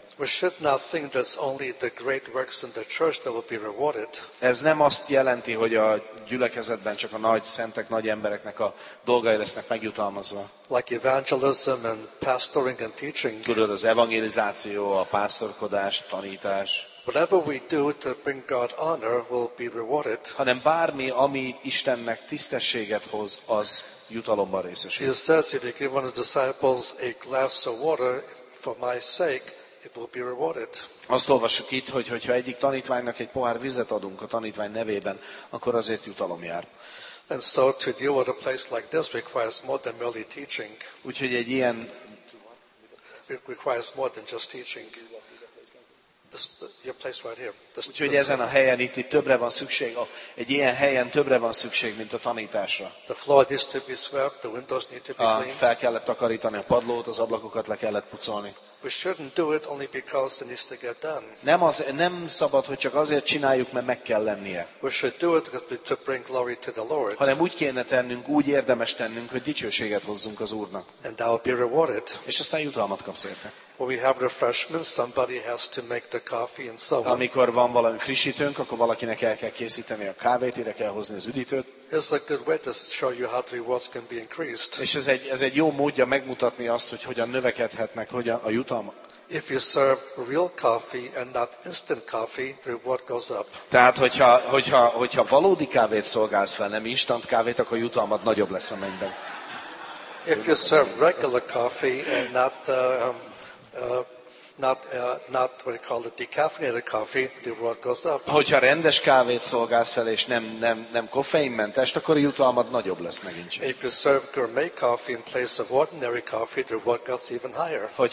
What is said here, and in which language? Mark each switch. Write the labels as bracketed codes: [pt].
[en] We should not think that it's only the great works in the church that will be rewarded. [hu] Ez nem azt jelenti, hogy a gyülekezetben csak a nagy szentek, nagy embereknek a dolgai lesznek megjutalmazva. [en] Like evangelism and pastoring and teaching. [hu] Tudod, az evangelizáció, a pásztorkodás, tanítás. [en] Whatever we do to bring God honor will be rewarded. [hu] Hanem bármi, ami Istennek tisztességet hoz, az jutalomban részesül. [en] He says, if you give one of the disciples a glass of water for my sake, it will be rewarded. [hu] Azt olvassuk itt, hogyha egyik tanítványnak egy pohár vizet adunk a tanítvány nevében, akkor azért jutalom jár. [en] And so to deal with a place like this requires more than merely teaching. [hu] Úgyhogy egy ilyen... [en] It requires more than just teaching. Your place right here. [hu] Úgyhogy ezen a helyen itt többre van szükség, egy ilyen helyen többre van szükség, mint a tanításra. [en] The floor needs to be swept, the windows need to be cleaned. [hu] Fel kellett takarítani a padlót, az ablakokat le kellett pucolni. [en] We shouldn't do it only because it needs to get done. [hu] Nem szabad, hogy csak azért csináljuk, mert meg kell lennie. [en] We should do it to bring glory to the Lord. [hu] Hanem úgy kéne tennünk, úgy érdemes tennünk, hogy dicsőséget hozzunk az Úrnak. [en] And that will be rewarded. [hu] És aztán jutalmat kapsz érte. [en] When we have refreshments, somebody has to make the coffee and so on. [hu] Amikor van valami frissítőnk, akkor valakinek el kell készíteni a kávét, ide kell hozni az üdítőt. [en] It's a good way to show you how rewards can be increased. [hu] És ez egy jó módja megmutatni azt, hogy hogyan növekedhetnek, hogyan a jutalmak. [en] If you serve real coffee and not instant coffee, the reward goes up. [hu] Tehát hogyha valódi kávét szolgálsz fel, nem instant kávét, akkor a jutalmad nagyobb lesz a mennyben. [en] If you serve regular coffee and not what you call it, decaffeinated coffee, the reward goes up. [hu] Hogyha rendes kávét szolgálsz fel és nem koffeinmentest, akkor a jutalmad nagyobb lesz megint. [en] If you serve gourmet coffee in place of ordinary coffee, the reward goes even higher.